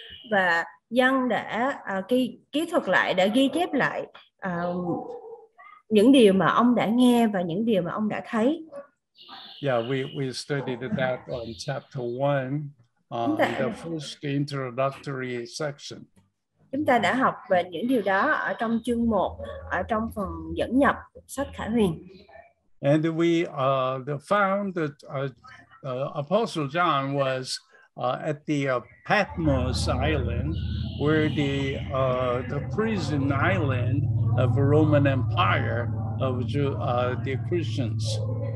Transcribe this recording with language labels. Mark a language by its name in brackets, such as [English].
[Vietnamese] Và Giăng đã ký thuật lại, đã ghi chép lại những điều mà ông đã nghe và những điều mà ông đã thấy. [English] Yeah, we studied that on chapter 1, the first introductory section. [Vietnamese] Chúng ta đã học về những điều đó ở trong chương 1, ở trong phần dẫn nhập sách Khải Huyền. [English] And we found that Apostle John was at the Patmos Island, where the prison island of the Roman Empire of the Christians.